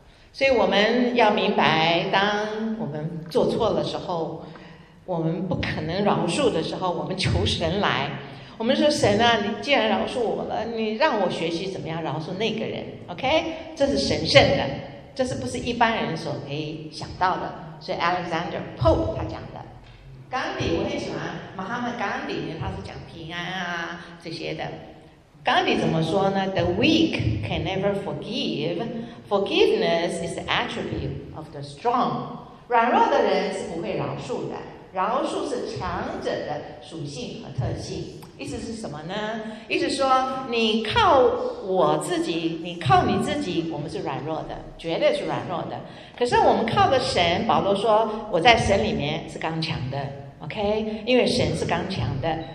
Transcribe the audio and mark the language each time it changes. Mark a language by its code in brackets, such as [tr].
[zh] 所以我们要明白，当我们做错的时候，我们不可能饶恕的时候，我们求神来，我们说神啊，你既然饶恕我了，你让我学习怎么样饶恕那个人， OK， 这是神圣的，这是不是一般人所可以想到的。所以 Alexander Pope 他讲的，甘地我很喜欢，马哈马甘地他是讲平安啊这些的。甘地怎么说呢？ [en] The weak can never forgive. Forgiveness is the attribute of the strong. [zh] 软弱的人是不会饶恕的。饶恕是强者的属性和特性。意思是什么呢？意思说你靠我自己，你靠你自己，我们是软弱的，绝对是软弱的。可是我们靠着神，保罗说我在神里面是刚强的， OK， 因为神是刚强的。